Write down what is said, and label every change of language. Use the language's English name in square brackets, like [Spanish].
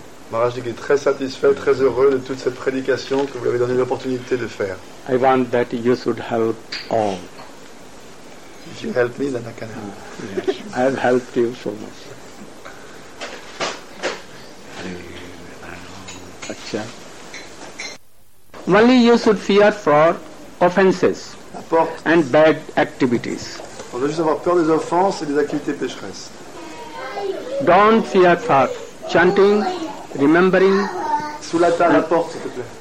[French] Maharaj Ji est très satisfait, très heureux de toute cette prédication que vous avez donné l'opportunité de faire. [English] I want that you should help all. If you help me, then I can help. Yes, I have helped you so much. [Hindi] Achcha. [English] Only you should fear for offenses and bad activities. [French] On doit juste avoir peur des offenses et des activités pécheresses. [English] Don't fear for chanting, remembering, [French] sous la table, la porte, s'il te plaît.